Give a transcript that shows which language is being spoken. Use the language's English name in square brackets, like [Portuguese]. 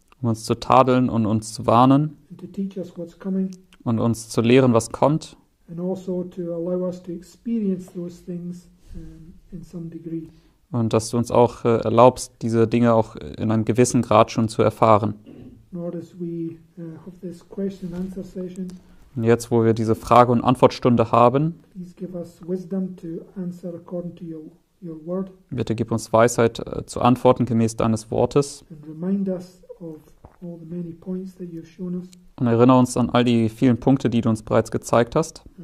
[German] um uns zu tadeln und uns zu warnen [English] and to teach us what's coming, [German] und uns zu lehren, was kommt, [English] and also to allow us to experience those things in some degree, [German] und dass du uns auch erlaubst, diese Dinge auch in einem gewissen Grad schon zu erfahren. [English] Lord, as we have this question and answer session, [German] und jetzt, wo wir diese Frage- und Antwortstunde haben, [English] please give us wisdom to answer according to your. [German] Bitte gib uns Weisheit zu antworten gemäß deines Wortes und erinnere uns an all die vielen Punkte, die du uns bereits gezeigt hast.